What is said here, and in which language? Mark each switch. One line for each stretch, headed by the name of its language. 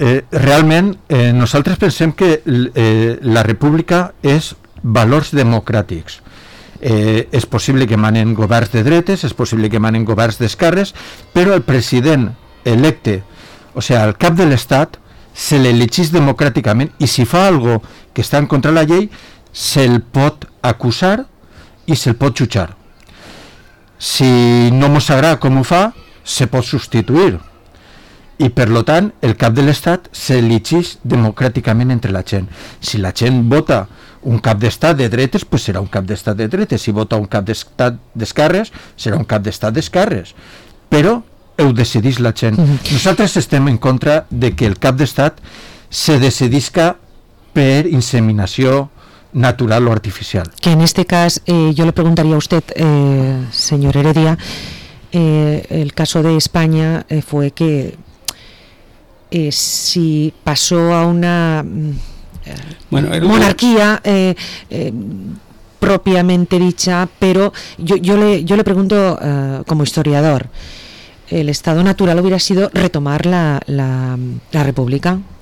Spanish: realmente, nosotros pensamos que la república es valores democráticos.
Catalan: Es posible que manen governs de dretes, es posible que manen governs d'esquerres, però el president electe, o sea, el cap de l'estat, se l'elegís democràticament i si fa algo que està en contra de la llei, se'l pot acusar i se'l pot jutjar. Si no mos agrada com ho fa, se pot substituir. I per lo tant, el cap de l'estat s'elegís democràticament entre la gent. Si la gent vota un cap d'estat de dretes, pues serà un cap d'estat de dretes. Si vota un cap d'estat d'esquerres, serà un cap d'estat d'esquerres. Però ho decidís la gent. Nosaltres estem en contra de que el cap d'estat se decidisca per inseminació natural o artificial. Que en este cas, jo le preguntaria
Spanish: a usted, señor Heredia, el caso de España fue que si pasó a una... monarquía propiamente dicha, pero yo le pregunto como historiador, ¿el estado natural hubiera sido retomar la república?